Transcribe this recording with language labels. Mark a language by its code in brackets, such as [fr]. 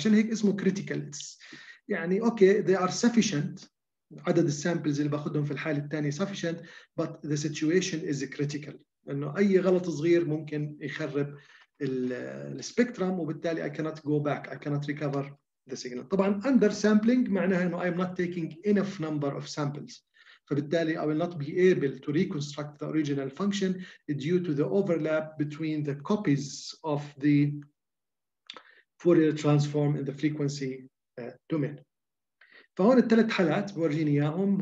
[ar] فعشان هيك اسمه critical. [en] يعني okay they are sufficient، [ar] عدد السامبلز اللي بأخذهم في الحالة الثانية [en] sufficient but the situation is critical، [ar] إنه أي غلط صغير ممكن يخرب الspectrum [en] وبالتالي I cannot go back، I cannot recover the signal. طبعاً under sampling معناها إنه I'm not taking enough number of samples، فبالتالي I will not be able to reconstruct the original function due to the overlap between the copies of the Fourier transform in the frequency domain. [ar] فهون الثلاث حالات بورجيني اياهم.